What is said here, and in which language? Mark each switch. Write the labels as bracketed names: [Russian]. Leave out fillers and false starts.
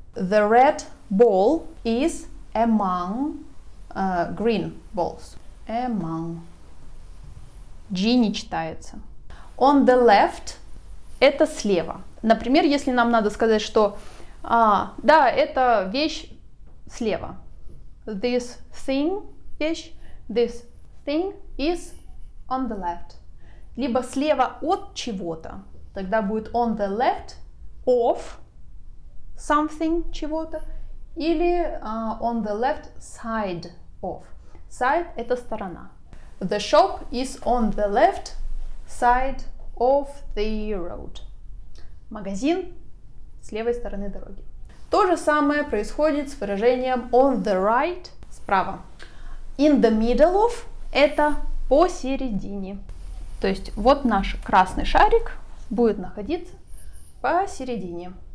[English] The red ball is among green balls. Among. [Russian] G не читается. [English] On the left [Russian] это слева. Например, если нам надо сказать, что да, это вещь слева. [English] This thing, вещь, this thing is on the left. [Russian] Либо слева от чего-то, тогда будет [English] on the left of something, [Russian] чего-то, или [English] on the left side of. [Russian] Side – это сторона. [English] The shop is on the left side of the road. [Russian] Магазин с левой стороны дороги. То же самое происходит с выражением [English] on the right [Russian] – справа. [English] In the middle of [Russian] – это посередине. То есть вот наш красный шарик будет находиться посередине.